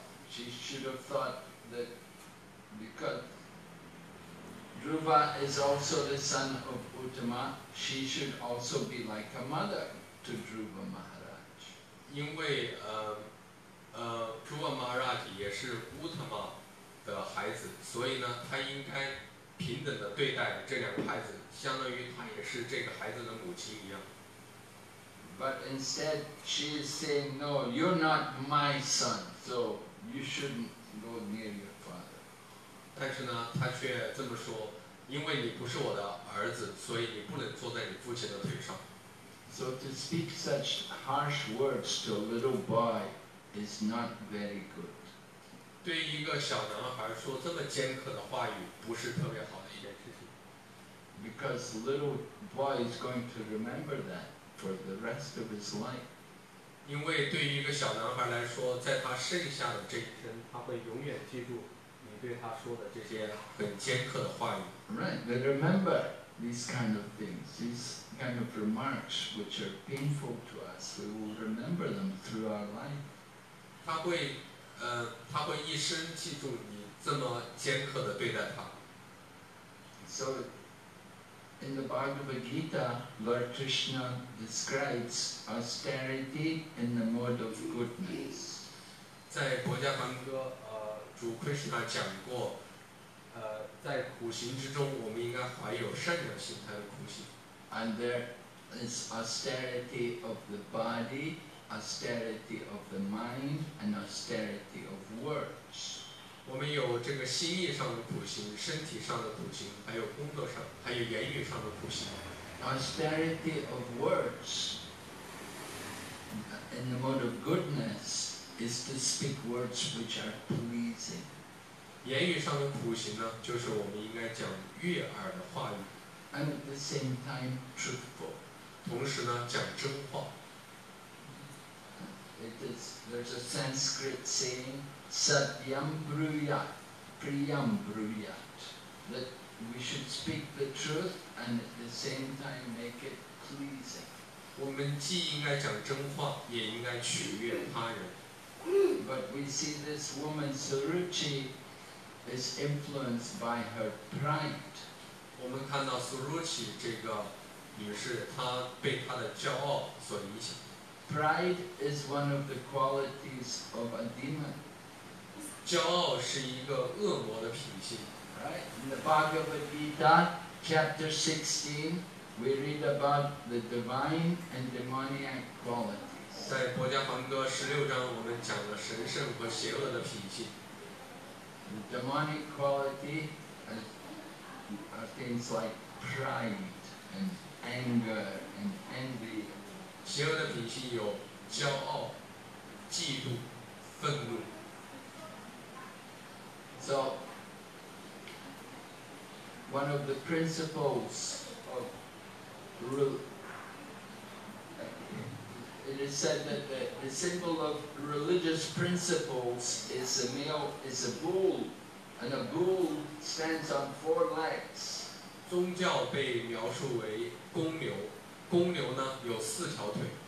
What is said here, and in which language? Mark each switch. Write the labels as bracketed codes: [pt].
[en] She should have thought that because Dhruva is also the son of Uttama, she should also be like a mother to Dhruva Maharaj. [zh] 因为Dhruva Maharaj 也是乌特玛, 的孩子，所以呢，他应该平等的对待这两个孩子，相当于他也是这个孩子的母亲一样。 [en] But instead, she is saying, "No, you're not my son, so you shouldn't go near your father." [zh] 但是呢，他却这么说，因为你不是我的儿子，所以你不能坐在你父亲的腿上。 [en] So to speak such harsh words to a little boy is not very good. [zh] 对于一个小男孩说这么尖刻的话语，不是特别好的一件事情。 [en] Because the little boy is going to remember that for the rest of his life. [zh] 因为对于一个小男孩来说，在他剩下的这一天，他会永远记住你对他说的这些很尖刻的话语。 [en] Right, they remember these kind of things. He's kind of remarks which are painful to us, we will remember them through our life. [zh] 他会一生记住你这么尖刻的对待他。 [en] So, in the Bhagavad Gita, Lord Krishna describes austerity in the mode of goodness. [zh] 在《国家梵歌》主 Krishna 讲过，在苦行之中，我们应该怀有善良心态的苦行。 [en] And there is austerity of the body, austerity of the mind, and austerity of words. [zh] 我们有这个心意上的苦行，身体上的苦行，还有工作上，还有言语上的苦行。 [en] Austerity of words, in the mode of goodness, is to speak words which are pleasing. [zh] 言语上的苦行呢，就是我们应该讲悦耳的话语。 [en] And at the same time, truthful. [zh] 同时呢，讲真话。 [en] There's a Sanskrit saying, [sa] "Satyam Bruyat, Priyam Bruyat," [en] that we should speak the truth and at the same time make it pleasing. [zh] 我们既应该讲真话，也应该取悦他人。 [en] But we see this woman Suruchi is influenced by her pride. [zh] 我们看到 Suruchi 这个女士，她被她的骄傲所影响。 [en] Pride is one of the qualities of a demon. [zh] 骄傲是一个恶魔的品性。 [en] Right? In the Bhagavad Gita, chapter 16, we read about the divine and demoniac qualities. [zh] 在《国家梵歌》十六章，我们讲了神圣和邪恶的品性。 [en] The demonic quality are things like pride and anger and envy. [zh] 邪恶的品性有骄傲、嫉妒、愤怒。 [en] So, one of the principles of rule, it is said that the symbol of religious principles is a male, is a bull, and a bull stands on four legs. [zh] 宗教被描述为公牛，公牛呢有四条腿。